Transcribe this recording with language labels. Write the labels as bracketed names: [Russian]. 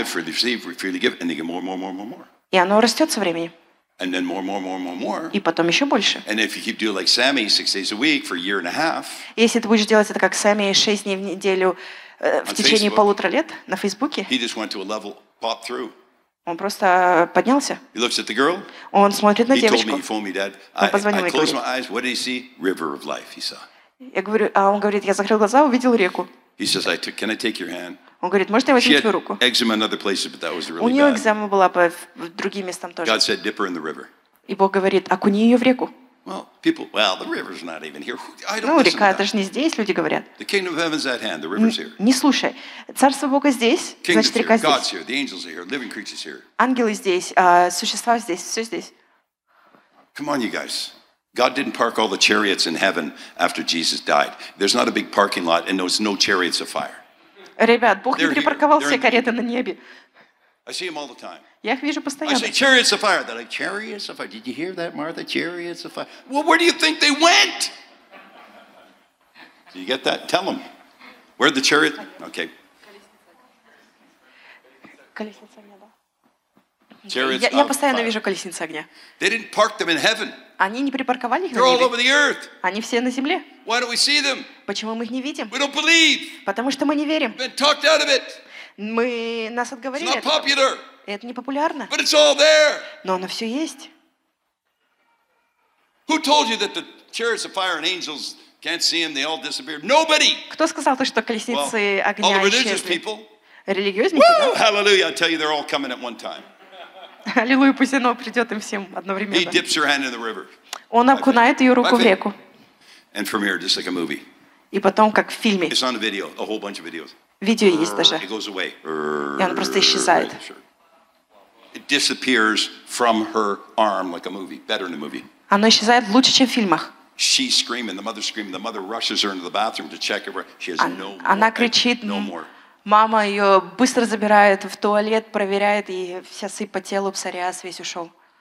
[English] Freely receive, freely give, and they get more. [Russian] И оно растет со временем. [English] And then more. [Russian] И потом еще больше. [English] And if you keep doing like Sammy 6 days a week for a year and a half. [Russian] Если ты будешь делать это как Сэмми 6 дней в неделю в течение полутора лет на Фейсбуке. [English] He just went to a level, popped through. [Russian] Он просто поднялся. [English] He looks at the girl. [Russian] Он смотрит на девочку. [English] He told me, he phoned me, Dad. [Russian] Он позвонил мне. [English] I closed my eyes. What did he see? River of life. He saw. [Russian] Я говорю, а он говорит, я закрыл глаза, увидел реку. [English] He says, can I take your hand? [Russian] Он говорит, можно я возьму твою руку? [English] She had eczema in other places, but that was really bad. [Russian] У нее экзема была по другим местам тоже. [English] God said, dip her in the river. [Russian] И Бог говорит, окуни ее в реку. [English] Well, the river's not even here. [Russian] Ну, река это же не здесь, люди говорят. [English] The kingdom of heaven's at hand. The river's here. [Russian] Не слушай, царство Бога здесь, значит река здесь. [English] God's here. The angels are here. Living creatures here. [Russian] Ангелы здесь, существа здесь, все здесь. [English] Come on, you guys. God didn't park all the chariots in heaven after Jesus died. There's not a big parking lot and there's no chariots of fire. Ребят, Бог не припарковал все кареты на небе. I see them all the time. Я их вижу постоянно. I say, chariots of fire. They're like, chariots of fire. Did you hear that, Martha? Chariots of fire. Well, where do you think they went? Do you get that? Tell them. Where the chariot? Okay. [Russian] Колесница огня, да? Я постоянно вижу колесницы огня. [English] They didn't park them in heaven. [Russian] Они не припарковали их [English] They're [Russian] на небе. [English] All over the earth. [Russian] Они все на земле. [English] Why don't we see them? [Russian] Почему мы их не видим? [English] We don't believe. [Russian] Потому что мы не верим. [English] We've been talked out of it. [Russian] Мы нас отговорили. [English] It's not popular. [Russian] Это не популярно. [English] But it's all there. [Russian] Но оно все есть. [English] Who told you that the chariots of fire and angels can't see them? They all disappeared. Nobody. [Russian] Кто сказал то, что колесницы огня исчезли? [English] All the religious people. [Russian] Религиозники. Woo! [English] Hallelujah! I tell you, they're all coming at one time. [Russian] Аллилуйя, пусть оно придет им всем одновременно. [English] He dips her hand in the river. [Russian] Он окунает ее руку в реку. [English] And from here, just like a movie. [Russian] И потом, как в фильме. [English] It's on a video, a whole bunch of videos. [Russian] Видео есть даже. [English] It goes away. [Russian] И он просто исчезает. [English] It disappears from her arm like a movie, better than a movie. [Russian] Оно исчезает лучше, чем в фильмах. [English] She's screaming, the mother screaming, the mother rushes her into the bathroom to check her. She has no more. [Russian] Она кричит. [English] No more. [Russian] Мама ее быстро забирает в туалет, проверяет, и вся сыпь по телу, псориаз весь ушел.